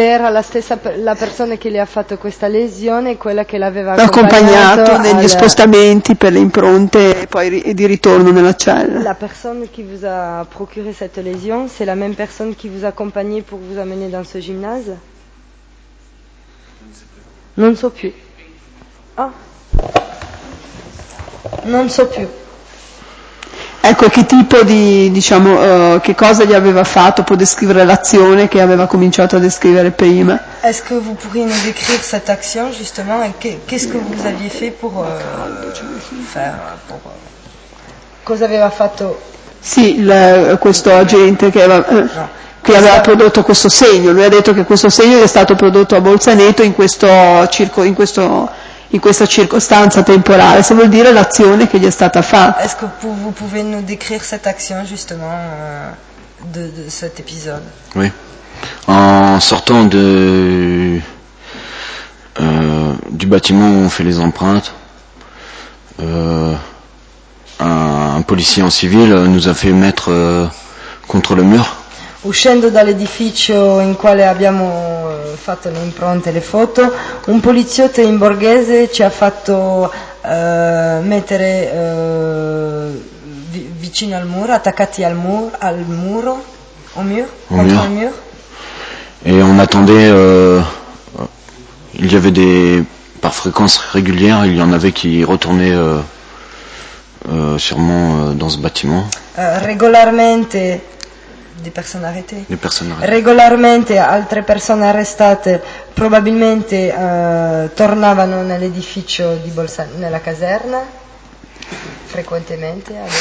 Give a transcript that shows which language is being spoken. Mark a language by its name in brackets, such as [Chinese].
[Italian] era la stessa la persona che le ha fatto questa lesione, quella che l'aveva accompagnato negli spostamenti per le impronte e poi di ritorno nella cella. La persona che [French] vous a procuré cette lésion, c'est la même personne qui vous a accompagné pour vous amener dans ce gymnase? [Italian] Non so più. Ah. Non so più. Ecco, che tipo di, diciamo, che cosa gli aveva fatto, può descrivere l'azione che aveva cominciato a descrivere prima. [French] Est-ce que vous pourriez nous décrire cette action justement et qu'est-ce que vous aviez fait pour faire pour [Italian] cosa aveva fatto? Sì, questo agente che aveva aveva prodotto questo segno, lui ha detto che questo segno è stato prodotto a Bolzaneto in questo in questa circostanza temporale, se vuol dire l'azione che gli è stata fatta. [French] Est-ce que vous pouvez nous décrire cette action justement de cet épisode? Oui. En sortant de du bâtiment où on fait les empreintes, un policier en civil nous a fait mettre contre le mur. [Italian] Uscendo dall'edificio in quale abbiamo fatto le impronte e le foto, un poliziotto in borghese ci ha fatto mettere vicino al muro, attaccati al muro, al mur. [French] Et on attendait, il y avait des, par fréquence régulière, il y en avait qui retournaient sûrement dans ce bâtiment. [Italian] Regolarmente. [French] Des personnes arrêtées. [Italian] Regolarmente altre persone arrestate probabilmente tornavano nell'edificio di Bolsa, nella caserna, frequentemente.